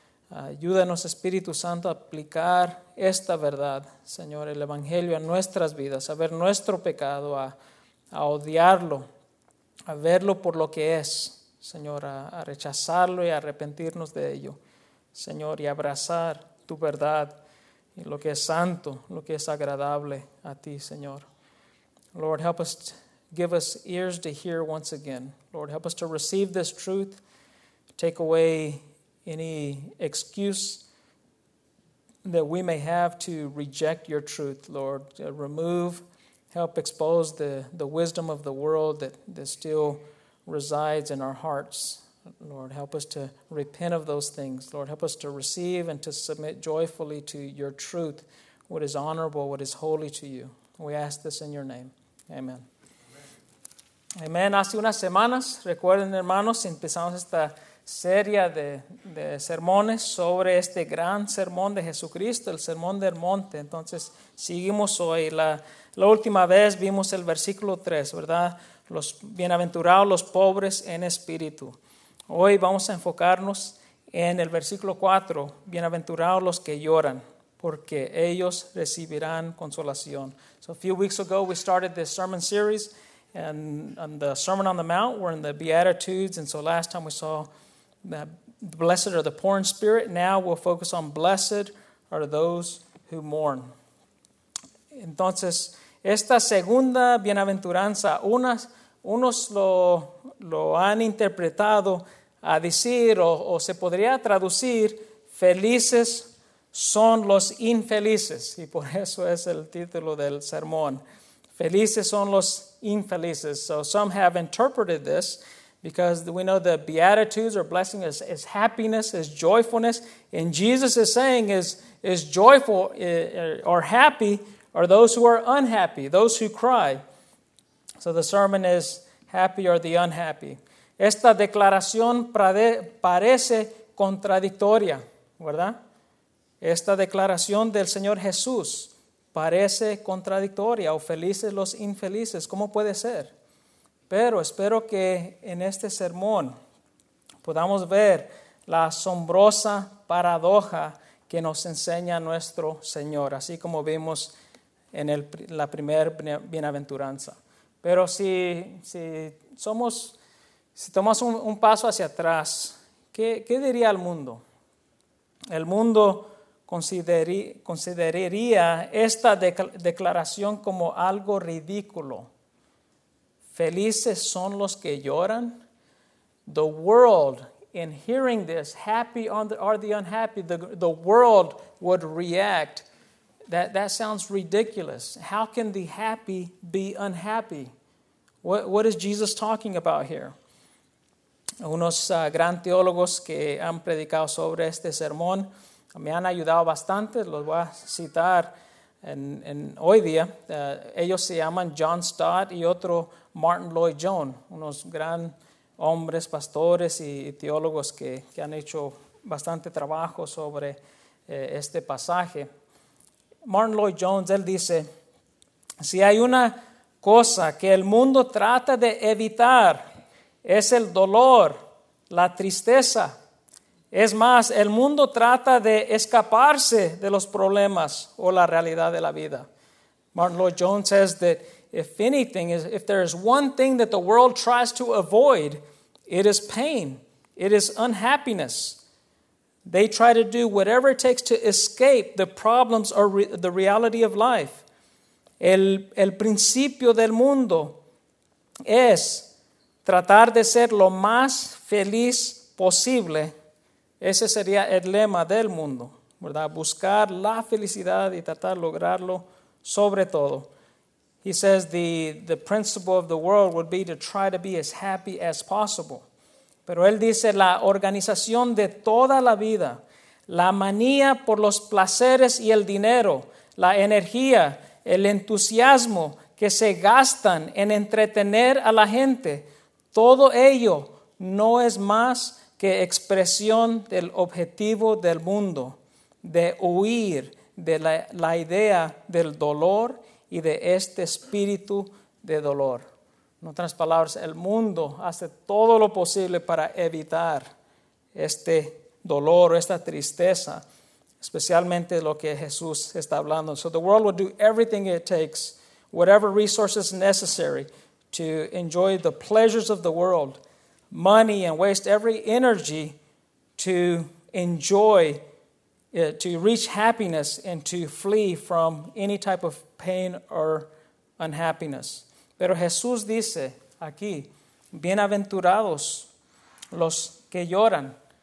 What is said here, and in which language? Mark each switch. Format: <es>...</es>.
<es>Ayúdanos, Espíritu Santo, a aplicar esta verdad, Señor, el Evangelio a nuestras vidas, a ver nuestro pecado, a odiarlo, a verlo por lo que es, Señor, a rechazarlo y a arrepentirnos de ello, Señor, y abrazar tu verdad y lo que es santo, lo que es agradable a ti, Señor.</es> <en>Lord, help us. Give us ears to hear once again. Lord, help us to receive this truth. Take away any excuse that we may have to reject your truth, Lord. Remove, help expose the wisdom of the world that still resides in our hearts. Lord, help us to repent of those things. Lord, help us to receive and to submit joyfully to your truth, what is honorable, what is holy to you. We ask this in your name. Amen. Amén.</en> <es>Hace unas semanas, recuerden hermanos, empezamos esta serie de sermones sobre este gran sermón de Jesucristo, el sermón del monte. Entonces, seguimos hoy. La última vez vimos el versículo 3, ¿verdad? Los bienaventurados, los pobres en espíritu. Hoy vamos a enfocarnos en el versículo 4, bienaventurados los que lloran, porque ellos recibirán consolación.</es> <en>So, a few weeks ago, we started this sermon series. And on the Sermon on the Mount, we're in the Beatitudes. And so last time we saw that blessed are the poor in spirit. Now we'll focus on blessed are those who mourn.</en> <es>Entonces, esta segunda bienaventuranza, unos lo han interpretado a decir, o se podría traducir, felices son los infelices. Y por eso es el título del sermón. Felices son los infelices.</es> <en>So some have interpreted this Because we know the Beatitudes or blessing is happiness, is joyfulness. And Jesus is saying is joyful or happy are those who are unhappy, those who cry. So the sermon is happy or the unhappy.</en> <es>Esta declaración parece contradictoria, ¿verdad? Esta declaración del Señor Jesús parece contradictoria o felices los infelices. ¿Cómo puede ser? Pero espero que en este sermón podamos ver la asombrosa paradoja que nos enseña nuestro Señor, así como vimos en la primera bienaventuranza. Pero si tomamos un paso hacia atrás, ¿qué diría el mundo? El mundo consideraría esta declaración como algo ridículo. Felices son los que lloran.</es> <en>The world, in hearing this, happy are the unhappy, the world would react. That sounds ridiculous. How can the happy be unhappy? What is Jesus talking about here?</en> <es>Unos gran teólogos que han predicado sobre este sermón me han ayudado bastante. Los voy a citar en hoy día. Ellos se llaman John Stott y otro Martin Lloyd-Jones, unos gran hombres, pastores y teólogos que han hecho bastante trabajo sobre este pasaje. Martin Lloyd-Jones, él dice, si hay una cosa que el mundo trata de evitar, es el dolor, la tristeza. Es más, el mundo trata de escaparse de los problemas o la realidad de la vida.</es> <en>Martin Lloyd-Jones says that if there is one thing that the world tries to avoid, it is pain. It is unhappiness. They try to do whatever it takes to escape the problems or the reality of life.</en> <es>El principio del mundo es tratar de ser lo más feliz posible. Ese sería el lema del mundo, ¿verdad? Buscar la felicidad y tratar de lograrlo sobre todo.</es> <en>He says the principle of the world would be to try to be as happy as possible.</en> <es>Pero él dice la organización de toda la vida, la manía por los placeres y el dinero, la energía, el entusiasmo que se gastan en entretener a la gente, todo ello no es más que expresión del objetivo del mundo, de huir de la idea del dolor y de este espíritu de dolor. En otras palabras, el mundo hace todo lo posible para evitar este dolor o esta tristeza, especialmente lo que Jesús está hablando.</es> <en>So the world will do everything it takes, whatever resources necessary, to enjoy the pleasures of the world, money, and waste every energy to enjoy, to reach happiness and to flee from any type of pain or unhappiness.</en> <es>Pero Jesús dice aquí, bienaventurados los que lloran.</es>